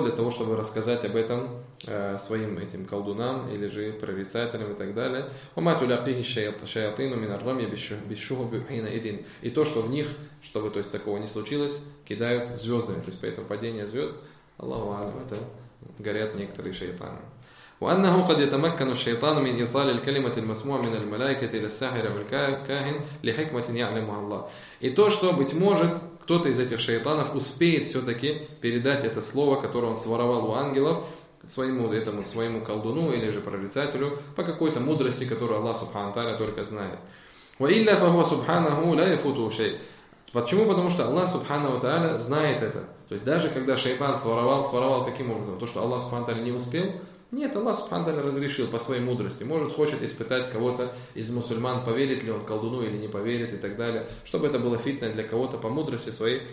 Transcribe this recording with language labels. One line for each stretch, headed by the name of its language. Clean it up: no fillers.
Russian: Для того, чтобы рассказать об этом своим этим колдунам или же прорицателям и так далее.
Arabic: «Ума туляпихи шайатыну минаррамья бишуху бюхина идин».
Russian: И то, что в них, чтобы то есть, такого не случилось, кидают звездами. То есть, поэтому падение звезд,
Arabic: Аллаху алям,
Russian: это горят некоторые шайтаны.
Arabic: وأنه قد يتمكن الشيطان من إيصال الكلمة المسموعة من الملائكة إلى الساحر والكاهن لحكمة يعلمها الله.
Russian: И то, что быть может, кто-то из этих шайтанов успеет все-таки передать это слово, которое он своровал у ангелов, своему этому своему колдуну или же прорицателю по какой-то мудрости, которую Аллах Субхана ва Тааля только знает.
Arabic: وإلا فهو سبحانه لا يفوته شيء.
Russian: Почему? Потому что Аллах Субхана ва Тааля знает это. То есть даже когда шайтан своровал каким образом? То, что Аллах Субхана ва Тааля не успел. Нет, Аллах Субхана ва Тааля разрешил по своей мудрости. Может, хочет испытать кого-то из мусульман, поверит ли он колдуну или не поверит и так далее. Чтобы это было фитна для кого-то по мудрости своей.